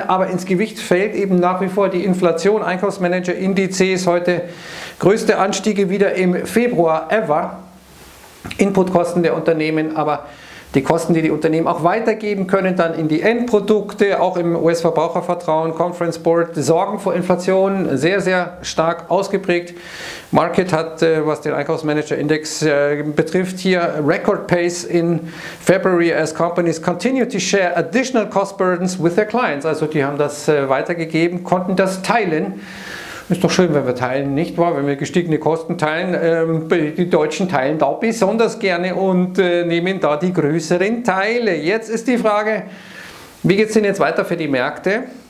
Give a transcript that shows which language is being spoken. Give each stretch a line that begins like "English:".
German: Aber ins Gewicht fällt eben nach wie vor die Inflation. Einkaufsmanager-Indizes heute größte Anstiege wieder im Februar ever. Inputkosten der Unternehmen, aber die Kosten, die die Unternehmen auch weitergeben können, dann in die Endprodukte, auch im US-Verbrauchervertrauen, Conference Board, Sorgen vor Inflation, sehr, sehr stark ausgeprägt.
English: Market
German: hat, was den Einkaufsmanager-Index betrifft, hier
English: Record Pace in February as companies continue to share additional cost burdens with their clients.
German: Also die haben das weitergegeben, konnten das teilen. Ist doch schön, wenn wir teilen, nicht wahr? Wenn wir gestiegene Kosten teilen, die Deutschen teilen da besonders gerne und nehmen da die größeren Teile. Jetzt ist die Frage, wie geht es denn jetzt weiter für die Märkte?